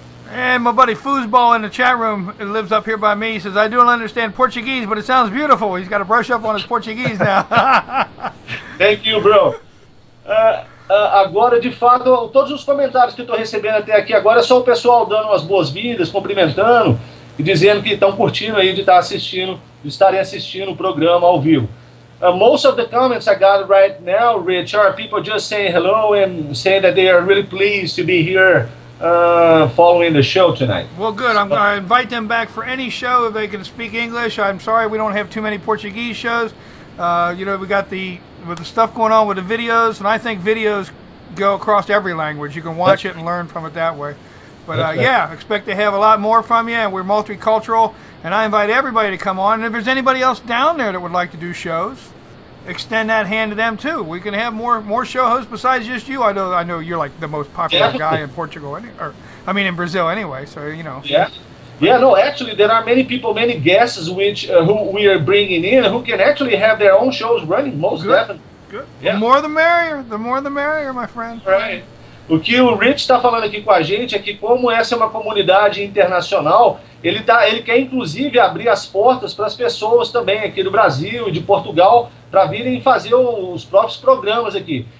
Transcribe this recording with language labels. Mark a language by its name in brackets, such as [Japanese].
[English] Hey, my buddy Foosball in the chat room lives up here by me. He says, I don't understand Portuguese, but it sounds beautiful. He's got to brush up on his Portuguese now. Thank you, bro. [Portuguese] Agora, de fato, todos os comentários que estou recebendo até aqui agora é só o pessoal dando as boas-vindas, cumprimentando e dizendo que estão curtindo aí de estarem assistindo o programa ao vivo. [English] Most of the comments I got right now, Rich, are people just saying hello and saying that they are really pleased to be here following the show tonight. Well, good. I'm going to invite them back for any show if they can speak English. I'm sorry we don't have too many Portuguese shows. You know, we got the stuff going on with the videos, and I think videos go across every language. You can watch it and learn from it that way. But yeah, expect to have a lot more from you, and we're multicultural, and I invite everybody to come on. And if there's anybody else down there that would like to do shows, extend that hand to them too. We can have more show hosts besides just you. I know you're like the most popular guy in Portugal, in Brazil anyway, so you know. Yeah, no, actually, there are many people, many guests who we are bringing in who can actually have their own shows running, most good. Definitely. Good. Yeah. The more the merrier, my friend. Right. [Portuguese] O que o Rich está falando aqui com a gente é que, como essa é uma comunidade internacional, ele quer, inclusive, abrir as portas para as pessoas também aqui do Brasil e de Portugal para virem fazer os próprios programas aqui.